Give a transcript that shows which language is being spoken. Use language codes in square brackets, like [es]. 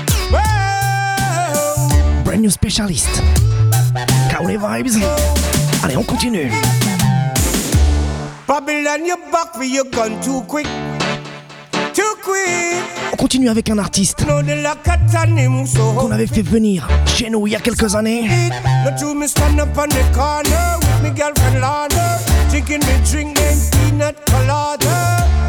[en] Brand new specialist. Cowley Vibes. [fr] Allez, on continue. [en] Babylon, you back with your gun too quick. Too quick. [fr] On continue avec un artiste qu'on avait fait venir chez nous il y a quelques années. [en] The two me stand up on the corner with me girlfriend Lana, drinking me drink and peanut colada.